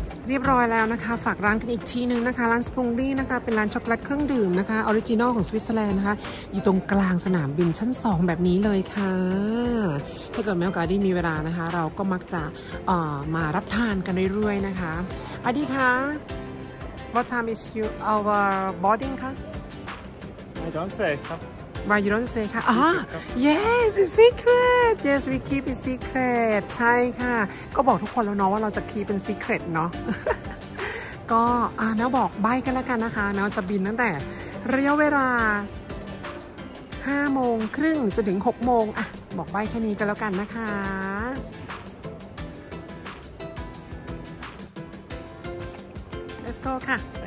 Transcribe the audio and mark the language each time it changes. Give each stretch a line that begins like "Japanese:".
Thai: เรียบร้อยแล้วนะคะฝากร้านกันอีกทีนึงนะคะร้านสปงรี่นะคะเป็นร้านช็อกโกแลตเครื่องดื่มนะคะออริจินอลของสวิตเซอร์แลนด์นะคะอยู่ตรงกลางสนามบินชั้น2แบบนี้เลยค่ะถ้าเกิดแมวกาดี้มีเวลานะคะเราก็มักจะมารับทานกันเรื่อยๆนะคะอดีคะ
English: What time is you our boarding
Thai: คะ
English: I don't say ครับ Why you don't say ค่ะYes, it's secret. Yes, we keep it secret.
Thai: ใช่ค่ะก็บอกทุกคนแล้วเนาะว่าเราจะ keep เป็น secret เนาะก็แมวบอกใบกันแล้วกันนะคะแมวจะบินตั้งแต่ระยะเวลา5โมงครึ่งจนถึง6โมงอ่ะบอกใบแค่นี้ก็แล้วกันนะคะ
English: Let's go
Thai: ค่ะ